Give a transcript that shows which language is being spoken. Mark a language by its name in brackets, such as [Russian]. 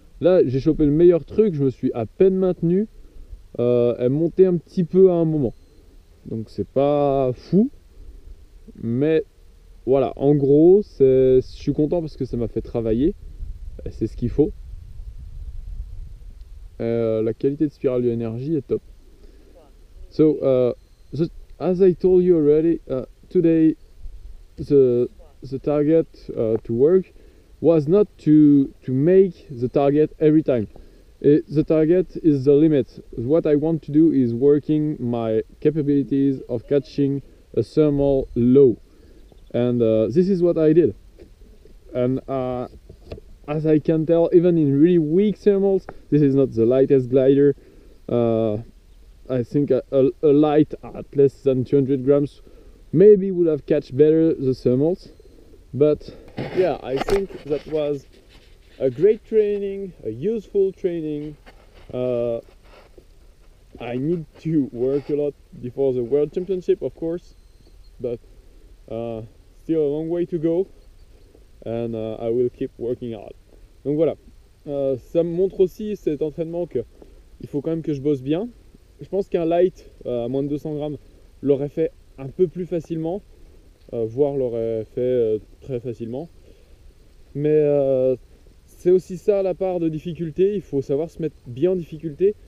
[French] Là j'ai chopé le meilleur truc, je me suis à peine maintenu, elle montait un petit peu à un moment. Donc c'est pas fou, mais voilà, en gros je suis content parce que ça m'a fait travailler. C'est ce qu'il faut. La qualité de spirale de l'énergie est top. [English] So, as I told you already, today the target to work was not to make the target every time. The target is the limit. What I want to do is working my capabilities of catching a thermal low. And this is what I did. And as I can tell, even in really weak thermals, this is not the lightest glider. I think a light at less than 200 grams maybe would have catched better the thermals. But yeah, I think that was a great training, a useful training. I need to work a lot before the World Championship, of course, but still a long way to go, and I will keep working hard. [French] Donc voilà, ça me montre aussi cet entraînement qu'il faut quand même que je bosse bien je pense qu'un light à moins de 200 grammes l'aurait fait un peu plus facilement, voire l'aurait fait très facilement. Mais c'est aussi ça la part de difficulté, il faut savoir se mettre bien en difficulté.